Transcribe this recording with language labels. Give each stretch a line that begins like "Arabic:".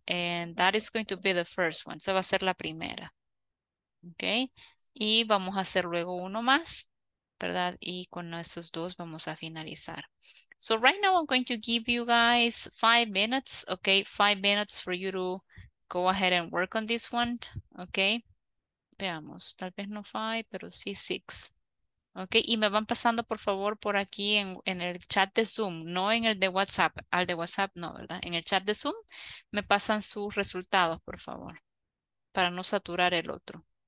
English: And that is going to be the first one.
Spanish: Se va a ser la primera. Okay. Y vamos a hacer luego uno más, ¿verdad? Y con esos dos vamos a finalizar.
English: So right now I'm going to give you guys 5 minutes. Okay. 5 minutes for you to go ahead and work on this one, okay?
Spanish: Veamos, tal vez no 5, pero sí 6. Okay, y me van pasando por favor por aquí en el chat de Zoom, no en el de WhatsApp, al de WhatsApp no, ¿verdad? En el chat de Zoom me pasan sus resultados, por favor, para no saturar el otro.